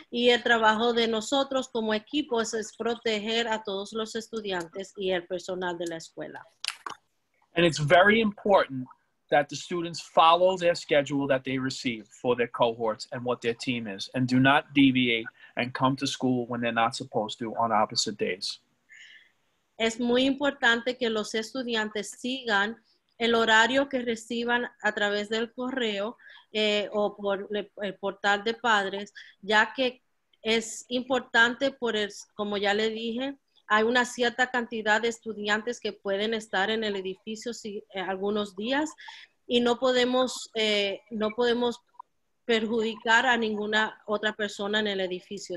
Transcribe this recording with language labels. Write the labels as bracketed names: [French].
[Spanish] Y el trabajo de nosotros como equipo es proteger a todos los estudiantes y el personal de la escuela. [English] And it's very important that the students follow their schedule that they receive for their cohorts and what their team is, and do not deviate and come to school when they're not supposed to on opposite days. [Spanish] Es muy importante que los estudiantes sigan el horario que reciban a través del correo o por el portal de padres, ya que es importante por el, como ya le dije, hay una cierta cantidad de estudiantes que pueden estar en el edificio si, algunos días y no podemos, no podemos perjudicar a ninguna otra persona en el edificio.